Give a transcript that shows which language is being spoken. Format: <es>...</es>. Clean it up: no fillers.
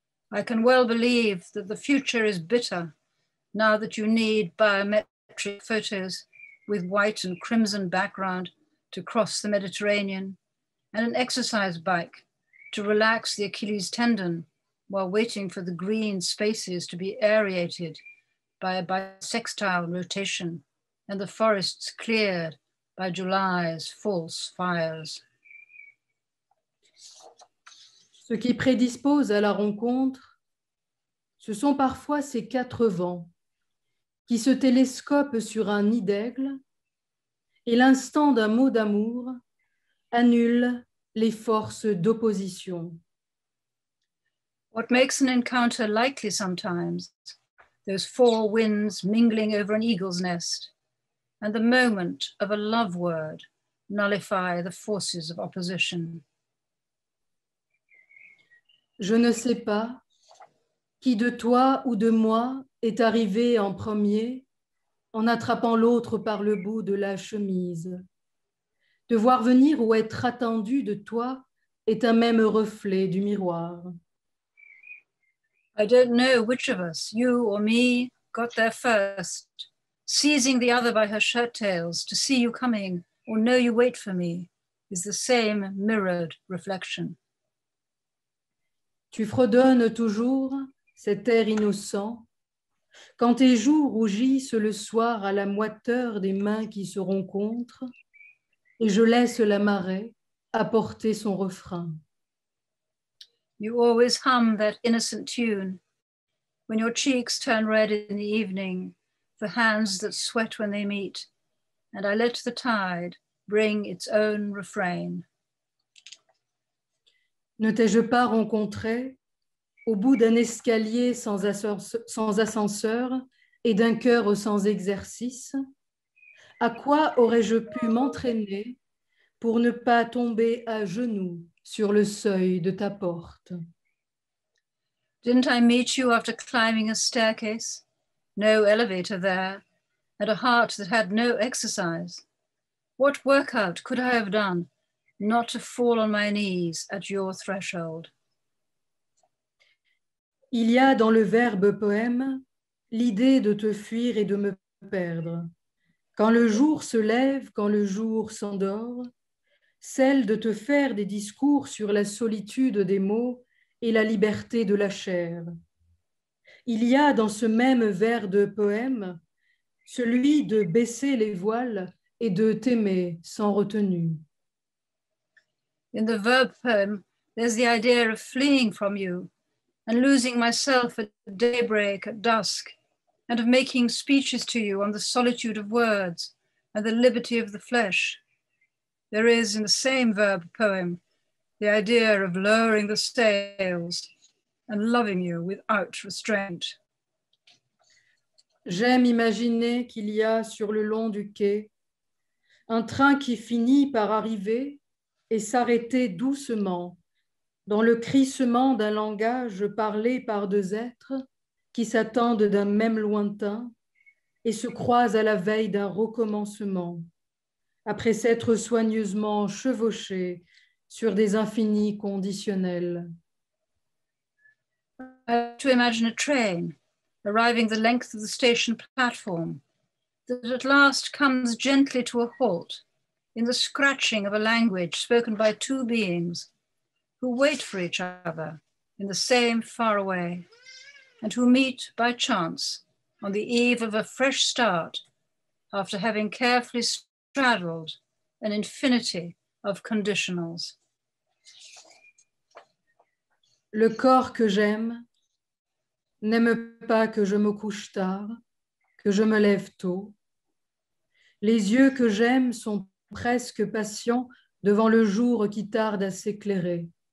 <en>I can well believe that the future is bitter now that you need biometric photos with white and crimson background to cross the Mediterranean and an exercise bike to relax the Achilles tendon while waiting for the green spaces to be aerated by a bissextile rotation and the forests cleared by July's false fires.</en> <fr>Ce qui prédispose à la rencontre, ce sont parfois ces quatre vents qui se télescopent sur un nid d'aigle et l'instant d'un mot d'amour annule les forces d'opposition.</fr> <en>What makes an encounter likely sometimes, those four winds mingling over an eagle's nest, and the moment of a love word nullify the forces of opposition.</en> <fr>Je ne sais pas qui de toi ou de moi est arrivé en premier en attrapant l'autre par le bout de la chemise. De voir venir ou être attendu de toi est un même reflet du miroir.</fr> <en>I don't know which of us, you or me, got there first, seizing the other by her shirt tails to see you coming or know you wait for me is the same mirrored reflection.</en> <fr>Tu fredonnes toujours cet air innocent quand tes joues rougissent le soir à la moiteur des mains qui se rencontrent et je laisse la marée apporter son refrain.</fr> <en>You always hum that innocent tune when your cheeks turn red in the evening, the hands that sweat when they meet, and I let the tide bring its own refrain.</en> <fr>Ne t'ai-je pas rencontré au bout d'un escalier sans ascenseur et d'un cœur sans exercice? À quoi aurais-je pu m'entraîner pour ne pas tomber à genoux sur le seuil de ta porte?</fr> <en>Didn't I meet you after climbing a staircase? No elevator there, and a heart that had no exercise. What workout could I have done not to fall on my knees at your threshold?</en> <fr>Il y a dans le verbe poème l'idée de te fuir et de me perdre. Quand le jour se lève, quand le jour s'endort, celle de te faire des discours sur la solitude des mots et la liberté de la chair. Il y a dans ce même verbe poème celui de baisser les voiles et de t'aimer sans retenue.</fr> <en>In the verb poem, there's the idea of fleeing from you and losing myself at daybreak, at dusk, and of making speeches to you on the solitude of words and the liberty of the flesh. There is, in the same verb poem, the idea of lowering the sails and loving you without restraint.</en> <fr>J'aime imaginer qu'il y a sur le long du quai un train qui finit par arriver et s'arrêter doucement dans le crissement d'un langage parlé par deux êtres qui s'attendent d'un même lointain et se croisent à la veille d'un recommencement, après s'être soigneusement chevauchés sur des infinis conditionnels.</fr> <en>To imagine a train arriving the length of the station platform, that at last comes gently to a halt in the scratching of a language spoken by two beings who wait for each other in the same far away and who meet by chance on the eve of a fresh start after having carefully straddled an infinity of conditionals.</en> <fr>Le corps que j'aime n'aime pas que je me couche tard, que je me lève tôt. Les yeux que j'aime sont presque patients devant le jour qui tarde à s'éclairer.</fr>